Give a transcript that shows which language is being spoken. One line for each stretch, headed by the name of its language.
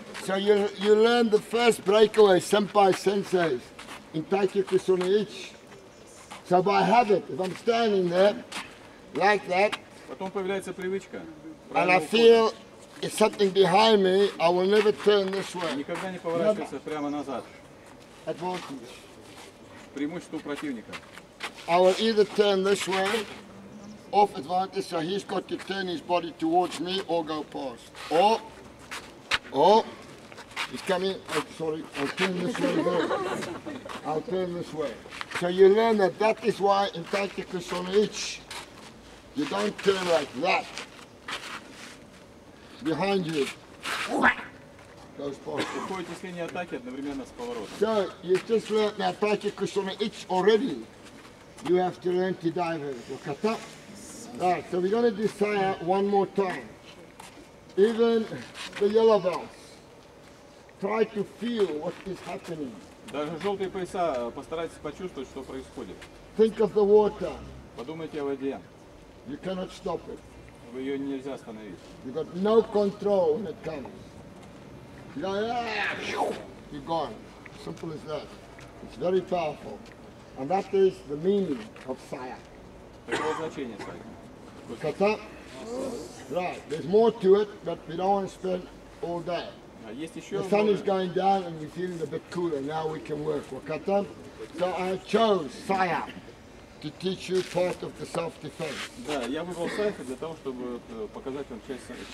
English: So you learn the first breakaway, senpai senseis, in Taikyo Kusone Ichi. So by habit, if I'm standing there, like that, and I feel it's something behind me, I will never turn this way.
Russian: Никогда не поворачивайся прямо назад.
English: Advantage.
Russian: Преимущество противника.
English: I will either turn this way, off advantage, so he's got to turn his body towards me or go past. Or, he's coming, I'll turn this way again. I'll turn this way. So you learn that is why in tactics on each, you don't turn like that. Behind you. So you just learned that tactics on each already. You have to learn to dive in. Right, so we're going to do Saya one more time. Even the yellow belts, try to feel what is happening.
Russian: Даже желтые пояса, постарайтесь почувствовать, что происходит.
English: Think of the water.
Russian: Подумайте о воде.
English: You cannot stop it.
Russian: Вы ее нельзя остановить.
English: You got no control when it comes. You're gone. Simple as that. It's very powerful. And that is the meaning of fire.
Russian: Какое значение сайя?
English: Kata. Right. There's more to it, but we don't want to spend all day. The sun is going down and we're feeling a bit cooler. Now we can work. Wakata. So I chose Sayha to teach you part of the self-defense.
Russian: Да, я выбрал Сайха для того, чтобы показать вам часть самозащиты.